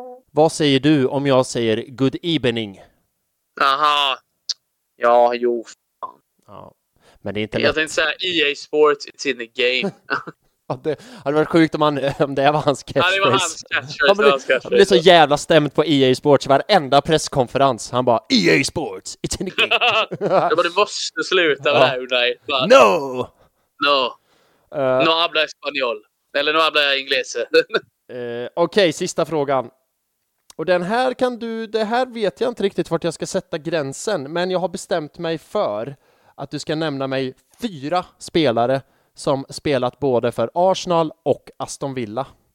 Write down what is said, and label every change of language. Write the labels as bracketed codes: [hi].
[sv] Vad säger du om jag säger [en] good evening? [sv] Aha. Ja, jo, fan. Ja. Men det är inte jag lätt. Tänkte säga EA Sports, [en] it's in the game. [sv] Det hade varit sjukt om det var hans catchphrase. Nej, det var hans catchphrase. Han blev så jävla stämt på EA Sports. Varenda presskonferens. Han bara, EA Sports, [en] it's in the game. [sv] Det bara, du måste sluta med det här. Nej. [es] No! No. No habla espanol. [sv] Eller [es] no habla inglese. [sv] Okej, sista frågan. Och den här kan du... Det här vet jag inte riktigt vart jag ska sätta gränsen. Men jag har bestämt mig för att du ska nämna mig 4 spelare som spelat både för Arsenal och Aston Villa.